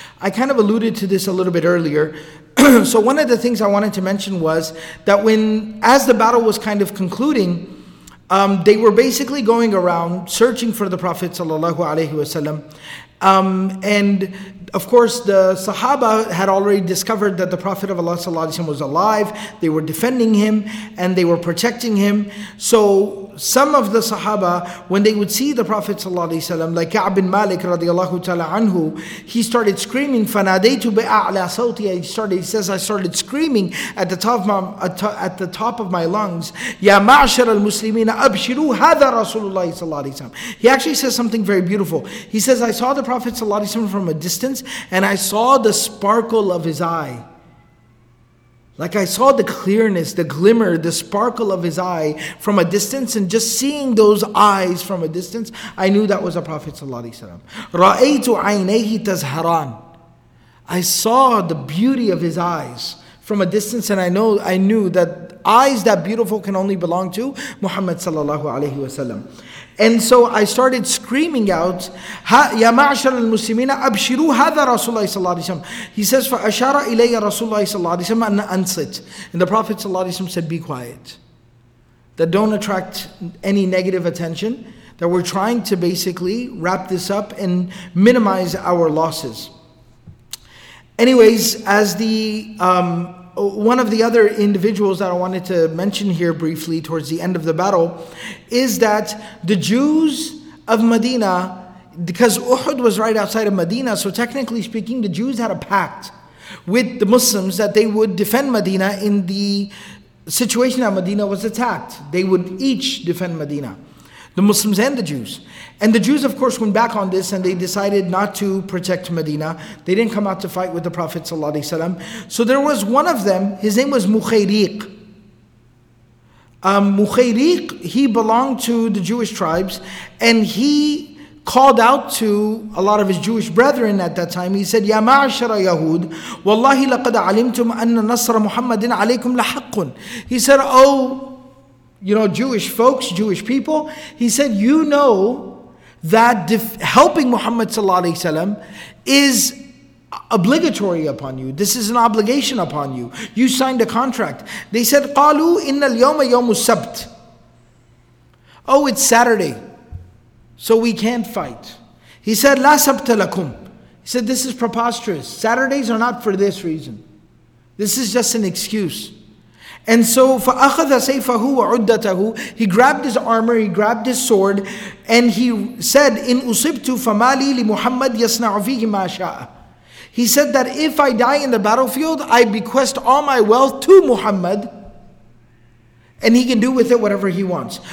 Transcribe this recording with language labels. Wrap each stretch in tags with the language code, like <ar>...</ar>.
<en>I kind of alluded to this a little bit earlier. So one of the things I wanted to mention was that when, as the battle was kind of concluding, they were basically going around searching for the Prophet sallallahu alaihi wasallam, and of course the Sahaba had already discovered that the Prophet of Allah sallallahu alaihi wasallam was alive. They were defending him and they were protecting him. So some of the Sahaba, when they would see the Prophet sallallahu alaihi wasallam, like Ka'b bin Malik radiallahu ta'ala anhu, he started screaming,</en> <ar>فَنَادَيْتُ بِأَعْلَى صَوْتِي.</ar> <en>I started screaming at the top of my lungs,</en> <ar>يَا مَعْشَرَ الْمُسْلِمِينَ أَبْشِرُوا هَذَا رَسُولُ اللَّهِ صَلَّى اللَّهِ عَلَيْهِ وَسَلَّمَ.</ar> <en>He actually says something very beautiful. He says, I saw the Prophet sallallahu alaihi wasallam from a distance, and I saw the sparkle of his eye. Like I saw the clearness, the glimmer, the sparkle of his eye from a distance, and just seeing those eyes from a distance, I knew that was the Prophet ﷺ.</en> <ar>رَأَيْتُ عَيْنَيْهِ تَزْهَرَانِ.</ar> <en>I saw the beauty of his eyes from a distance, and I knew that eyes that beautiful can only belong to Muhammad sallallahu alaihi wasallam. And so I started screaming out,</en> <ar>يَا مَعْشَرَ الْمُسْلِمِينَ أَبْشِرُوا هَذَا رَسُولَ اللَّهِ صَلَّى اللَّهِ عَلَيْهِ وَسَلَّمَ.</ar> <en>He says,</en> <ar>فَأَشَارَ إِلَيَّ رَسُولَ اللَّهِ صَلَّى اللَّهِ عَلَيْهِ وَسَلَّمَ أَنْ أَنْصِتْ.</ar> <en>And the Prophet صلى الله عليه وسلم said, be quiet. That don't attract any negative attention. That we're trying to basically wrap this up and minimize our losses. Anyways, as the one of the other individuals that I wanted to mention here briefly towards the end of the battle is that the Jews of Medina, because Uhud was right outside of Medina, so technically speaking, the Jews had a pact with the Muslims that they would defend Medina in the situation that Medina was attacked. They would each defend Medina, the Muslims and the Jews. And the Jews, of course, went back on this and they decided not to protect Medina. They didn't come out to fight with the Prophet ﷺ. So there was one of them, his name was Mukhayriq. Mukhayriq, he belonged to the Jewish tribes, and he called out to a lot of his Jewish brethren at that time. He said,</en> <ar>يَا مَعْشَرَ يَهُودِ وَاللَّهِ لَقَدْ عَلِمْتُمْ أَنَّ نَصْرَ مُحَمَّدٍ عَلَيْكُمْ لَحَقٌ.</ar> <en>He said, oh, you know, Jewish folks, Jewish people, he said, you know that helping Muhammad sallallahu alaihi wasallam is obligatory upon you. This is an obligation upon you. You signed a contract. They said,</en> <ar>قَالُوا إِنَّ الْيَوْمَ يَوْمُ السَّبْتِ.</ar> <en>Oh, it's Saturday, so we can't fight. He said,</en> <ar>لَا سَبْتَ لَكُمْ.</ar> <en>He said, this is preposterous. Saturdays are not for this reason. This is just an excuse. And so</en> <ar>فَأَخَذَ سَيْفَهُ وَعُدَّتَهُ.</ar> <en>He grabbed his armor, he grabbed his sword, and he said,</en> <ar>إِنْ أُصِبْتُ فَمَالِي لِمُحَمَّدْ يَصْنَعُ فِيهِ مَا شَاءَ.</ar> <en>He said that if I die in the battlefield, I bequest all my wealth to Muhammad, and he can do with it whatever he wants.</en>